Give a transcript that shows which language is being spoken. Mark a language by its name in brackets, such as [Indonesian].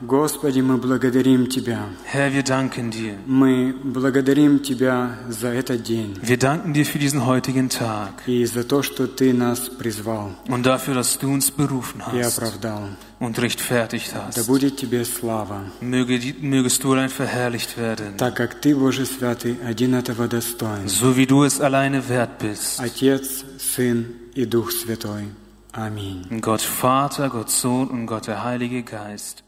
[Russian] Господи, мы благодарим Тебя. [German] Herr, wir danken dir. [Russian] Мы благодарим Тебя за этот день. [German] Wir danken dir für diesen heutigen Tag. [Russian] И за то, что Ты нас призвал. [German] Und dafür, dass du uns berufen hast. [Russian] И оправдал. [German] Und rechtfertigt hast. [Russian] Да будет Тебе слава. [German] Mögest du allein verherrlicht werden. [Russian] Так как Ты, Боже Святый, один этого достоин. [German] So wie du es alleine wert bist. [Russian] Отец, Сын и Дух Святой. Amen. [German] Gott Vater, Gott Sohn und Gott der Heilige Geist.